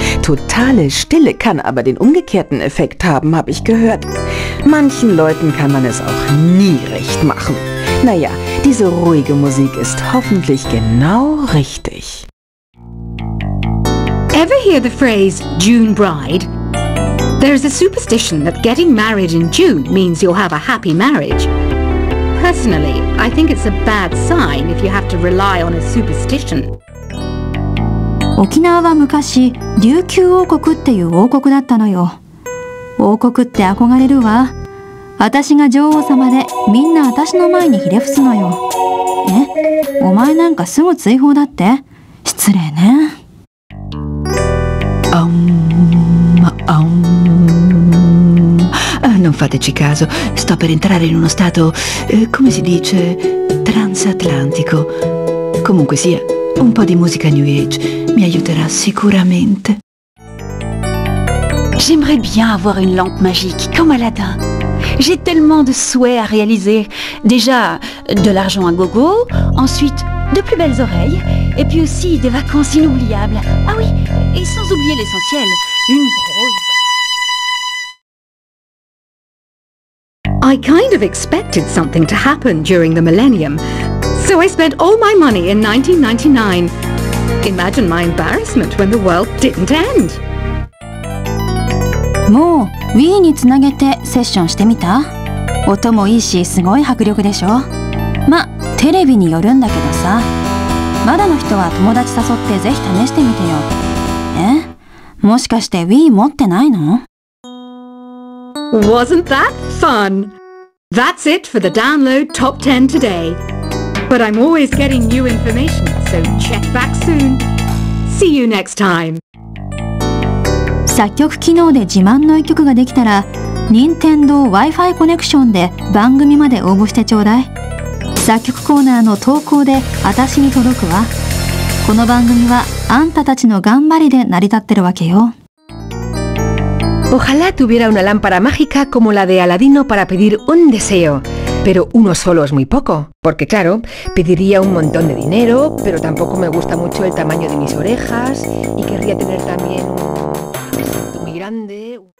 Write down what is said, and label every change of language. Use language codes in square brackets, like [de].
[de] Totale Stille kann aber den umgekehrten Effekt haben, habe ich gehört. Manchen Leuten kann man es auch nie recht machen. Naja, diese ruhige Musik ist hoffentlich genau richtig. [en] Ever hear the phrase June Bride? There is a superstition that getting married in June means you'll have a happy marriage. Personally, I think it's a bad sign if you have to rely on a superstition. [ja] 沖縄は昔、琉球王国っていう王国だったのよ。王国って憧れるわ。私が女王様で、みんな私の前にひれ伏すのよ。え？お前なんかすぐ追放だって？失礼ね。 [it] Non fateci caso, sto per entrare in uno stato, come si dice, transatlantico. Comunque sia, un po' di musica New Age mi aiuterà sicuramente. [fr] J'aimerais bien avoir une lampe magique, comme Aladdin. J'ai tellement de souhaits à réaliser. Déjà, de l'argent à gogo, ensuite, de plus belles oreilles, et puis aussi des vacances inoubliables. Ah oui, et sans oublier l'essentiel, une grosse... [en] I kind of expected something to happen during the millennium, so I spent all my money in 1999. Imagine my embarrassment when the world didn't end. [ja] もう Wii につなげてセッションしてみた？音もいいし、すごい迫力でしょ？ま、テレビによるんだけどさ。まだの人は友達誘ってぜひ試してみてよ。え？もしかして Wii 持ってないの? [en] Wasn't that fun? That's it for the download top 10 today. But I'm always getting new information, so check back soon. See you next time. [ja] 作曲機能で自慢の一曲ができたら、任天堂 Wi-Fi コネクションで番組まで応募してちょうだい。作曲コーナーの投稿で私に届くわ。この番組はあんたたちの頑張りで成り立ってるわけよ。 [es] Ojalá tuviera una lámpara mágica como la de Aladino para pedir un deseo. Pero uno solo es muy poco. Porque claro, pediría un montón de dinero, pero tampoco me gusta mucho el tamaño de mis orejas y querría tener también un asiento muy grande.